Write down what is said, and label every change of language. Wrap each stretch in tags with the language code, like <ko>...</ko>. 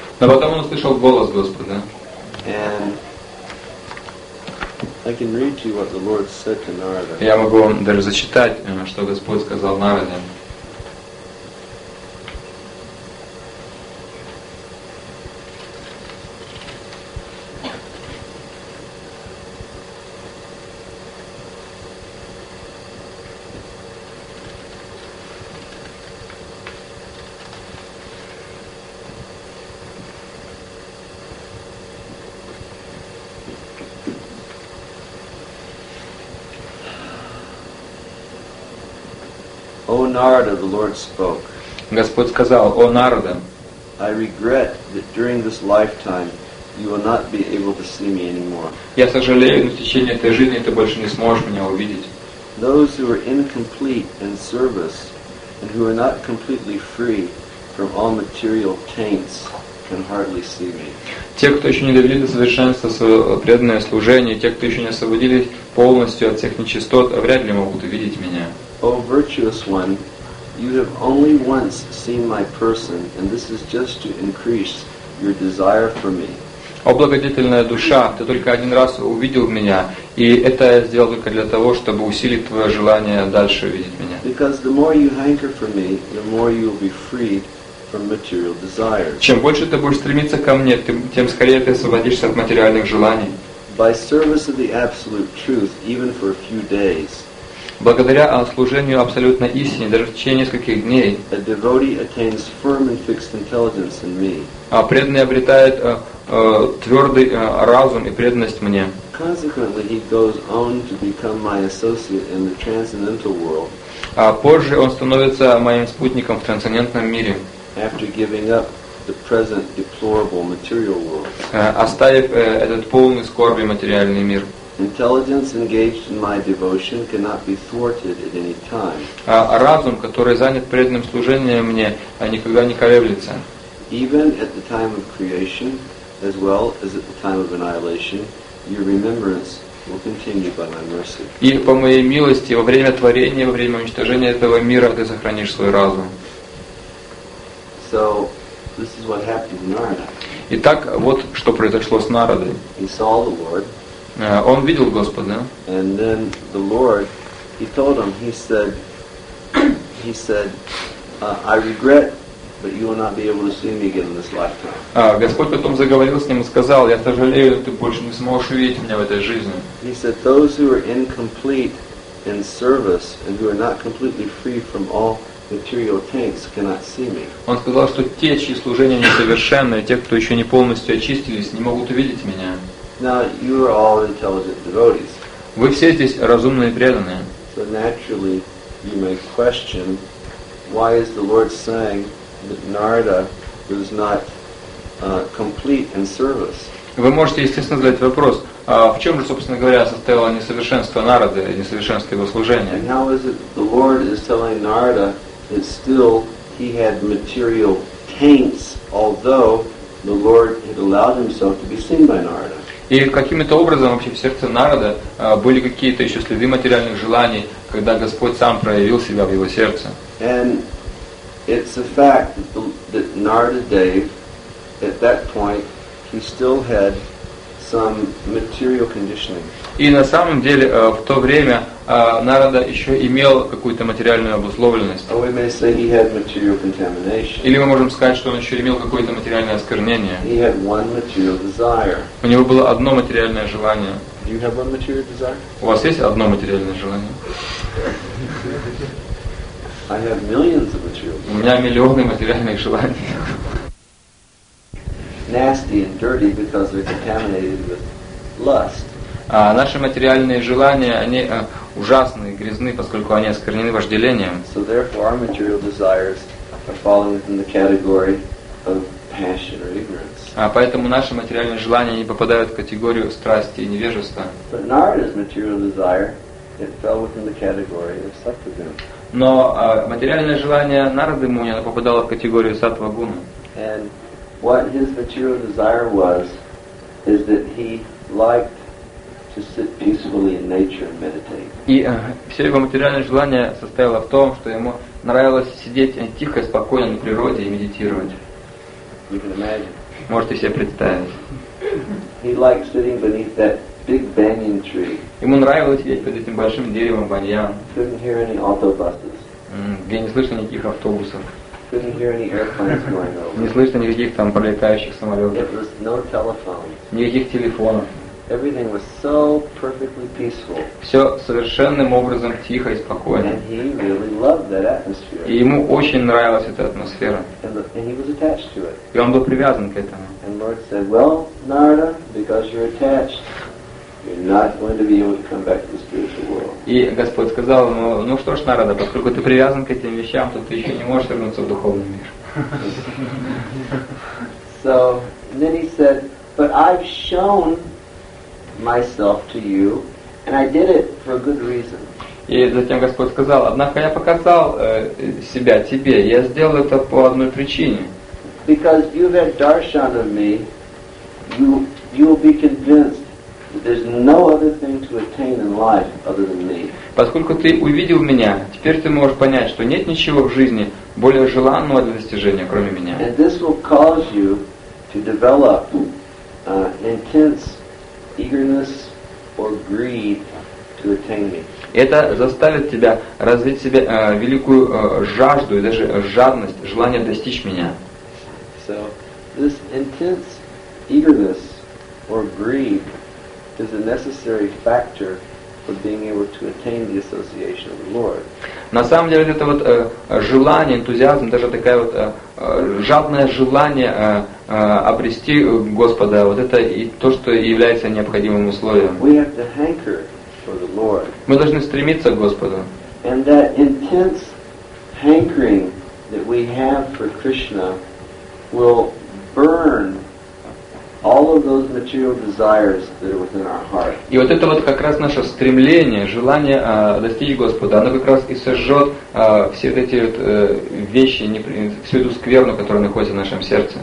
<ru>Но потом он услышал голос Господа.</ru> <en>And I can read to you what the Lord said to Narada.</en> <ru>Я могу вам даже зачитать, что Господь сказал Нараде.</ru> <en>Narada, the Lord spoke.</en> <ru>Господь сказал, О Нарада.</ru> <en>I regret that during this lifetime you will not be able to see me anymore.</en> <ru>Я сожалею, но в течение этой жизни ты больше не сможешь меня увидеть.</ru> <en>Those who are incomplete in service and who are not completely free from all material taints can hardly see me.</en> <ru>Те, кто еще не довели до совершенства свое преданное служение, те, кто еще не освободились полностью от всех нечистот, вряд ли могут увидеть меня.</ru> <en>О, virtuous one, you have only once seen my person, and this is just to increase your desire for me.</en> <ru>О, благодетельная душа, ты только один раз увидел меня, и это я сделал только для того, чтобы усилить твое желание дальше видеть меня.</ru> <en>Because the more you hanker for me, the more you will be freed from material desires.</en> <ru>Чем больше ты будешь стремиться ко мне, тем скорее ты освободишься от материальных желаний.</ru> <en>By service of the absolute truth, even for a few days.</en> <ru>Благодаря служению абсолютной истине, даже в течение нескольких дней,</ru> <en>a devotee attains firm and fixed intelligence in me.</en> <ru>А преданный обретает твердый разум и преданность мне.</ru> <en>Consequently, he goes on to become my associate in the transcendental world.</en> <ru>А позже он становится моим спутником в трансцендентном мире.</ru> <en>After giving up the present deplorable material world.</en> <ru>Оставив этот полный скорби материальный мир.</ru> <en>Intelligence engaged in my devotion cannot be thwarted at any time.</en> <ru>Разум, который занят преданным служением мне, никогда не колеблется.</ru> <en>Even at the time of creation, as well as at the time of annihilation, your remembrance will continue by my mercy.</en> <ru>И по моей милости во время творения, во время уничтожения этого мира ты сохранишь свой разум.</ru> <en>So, this is what happened to Narada.</en> <ru>Итак, вот что произошло с Нарадой.</ru> <en>He saw the Lord.</en> <ru>Он видел Господа.</ru> <en>And then the Lord, he told him, he said, I regret, but you will not be able to see me again in this lifetime.</en> <ru>Господь потом заговорил с ним и сказал, я сожалею, ты больше не сможешь увидеть меня в этой жизни.</ru> <en>He said, those who are incomplete in service and who are not completely free from all material taints cannot see me.</en> <ru>Он сказал, что те, чьи служения несовершенны, те, кто еще не полностью очистились, не могут увидеть меня.</ru> <en>Now you are all intelligent devotees.</en> <ru>Вы все здесь разумные преданные.</ru> <en>So naturally, you may question, why is the Lord saying that Narada was not complete in service?</en> <ru>Вы можете, естественно, задать вопрос, в чем же, собственно говоря, состояло несовершенство Нарады, несовершенство его служения?</ru> <en>And how is it the Lord is telling Narada that still he had material taints, although the Lord had allowed himself to be seen by Narada?</en> <ru>И каким-то образом вообще в сердце Нарада были какие-то еще следы материальных желаний, когда Господь сам проявил себя в его сердце.</ru> <en>And it's a fact that Narada Dev, at that point, he still had some material conditioning.</en> <ru>И на самом деле в то время Нарада еще имел какую-то материальную обусловленность.</ru> <en>Or we may say he had material contamination.</en> <ru>Или мы можем сказать, что он еще имел какое-то материальное осквернение.</ru> <en>He had one material desire.</en> <ru>У него было одно материальное желание.</ru> <en>Do you have one material desire?</en> <ru>У вас есть одно материальное желание?</ru> <en>I have millions of material desires.</en> <ru>У меня миллионы материальных желаний.</ru> <en>Nasty and dirty because they're contaminated with lust.</en> <ru>Наши материальные желания, они ужасны и грязны, поскольку они осквернены вожделением.</ru> <en>So therefore our material desires are falling within the category of passion or ignorance.</en> <ru>Поэтому наши материальные желания не попадают в категорию страсти и невежества.</ru> <en>But Narada's material desire, it fell within the category of sattva-guna.</en> <ru>Но материальное желание Нарады Муни попадало в категорию саттва-гуна.</ru> <en>And what his material desire was is that he liked to sit peacefully in nature and meditate.</en> <ru>И все его материальное желание состояло в том, что ему нравилось сидеть тихо, спокойно на природе и медитировать.</ru> <en>You can imagine.</en> <ru>Можете себе представить.</ru> <en>He liked sitting beneath that big banyan tree.</en> <ru>Ему нравилось сидеть под этим большим деревом баньян.</ru> <en>Couldn't hear any autobuses.</en> <ru>Где не слышно никаких автобусов.</ru> <en>Couldn't hear any airplanes going over.</en> <ru>Не слышно никаких там пролетающих самолетов.</ru> <en>There was no telephone.</en> <ru>Никаких телефонов.</ru> <en>Everything was so perfectly peaceful.</en> <ru>Все совершенным образом тихо и спокойно.</ru> <en>And he really loved that atmosphere.</en> <ru>И ему очень нравилась эта атмосфера.</ru> <en>And he was attached to it.</en> <ru>И он был привязан к этому.</ru> <en>And Lord said, "Well, Narada, because you're attached, you're not going to be able to come back to the spiritual world."</en> <ru>И Господь сказал ему, ну что ж, Нарада, поскольку ты привязан к этим вещам, то ты еще не можешь вернуться в духовный мир.</ru> <en>So then he said, "But I've shown myself to you, and I did it for a good reason."</en> <ru>И затем Господь сказал, однако я показал себя тебе, я сделал это по одной причине.</ru> <en>Because you've had darshan of me, you will be convinced that there's no other thing to attain in life other than me.</en> <ru>Поскольку ты увидел меня, теперь ты можешь понять, что нет ничего в жизни более желанного для достижения, кроме меня.</ru> <en>And this will cause you to develop intense eagerness or greed to attain me.</en> <ru>Это заставит тебя развить в себе великую жажду и даже жадность, желание достичь меня.</ru> <en>So, this intense eagerness or greed is a necessary factor for being able to attain the association of the Lord.</en> <ru>На самом деле это вот желание, энтузиазм, даже такая вот жадное желание обрести Господа, вот это и то, что является необходимым условием.</ru> <en>We have to hanker for the Lord.</en> <ru>Мы должны стремиться к Господу.</ru> <en>And that intense hankering that we have for Krishna will burn all of those material desires that are within our heart.</en> <ru>И вот это вот как раз наше стремление, желание достичь Господа, оно как раз и сожжет все эти вот вещи, всю эту скверну, которая находится в нашем сердце.</ru>